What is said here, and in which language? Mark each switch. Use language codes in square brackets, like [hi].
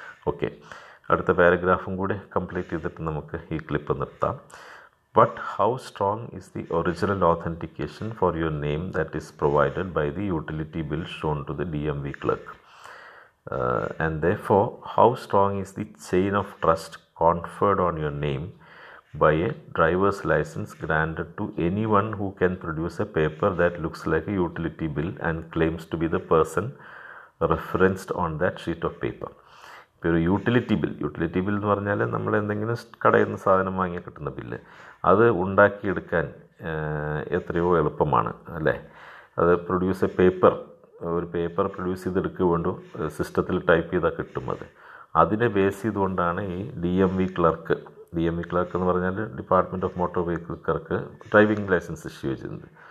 [ml] Okay, അടുത്ത പാരഗ്രാഫും കൂടി complete ചെയ്തിട്ട് നമുക്ക് ഈ ക്ലിപ്പ് നിർത്താം. [en] But how strong is the original authentication for your name that is provided by the utility bill shown to the D M V clerk? And therefore, how strong is the chain of trust conferred on your name by a driver's license granted to anyone who can produce a paper that looks like a utility bill and claims to be the person referenced on that sheet of paper? [ml] ഇപ്പോൾ ഒരു utility bill, utility bill എന്ന് പറഞ്ഞാൽ നമ്മൾ എന്തെങ്കിലും കടയിൽ നിന്ന് സാധനം വാങ്ങി കിട്ടുന്ന ബില്ല്, അത് ഉണ്ടാക്കിയെടുക്കാൻ എത്രയോ എളുപ്പമാണ് അല്ലേ. അത് [en] produce a paper, [ml] ഒരു പേപ്പർ പ്രൊഡ്യൂസ് ചെയ്തെടുക്കുക വേണ്ടു, സിസ്റ്റത്തിൽ ടൈപ്പ് ചെയ്താൽ കിട്ടും. അത് അതിനെ ബേസ് ചെയ്തുകൊണ്ടാണ് ഈ D M V clerk, D M V clerk എന്ന് പറഞ്ഞാൽ department of motor vehicle clerk, driving licence issue ചെയ്യുന്നത്.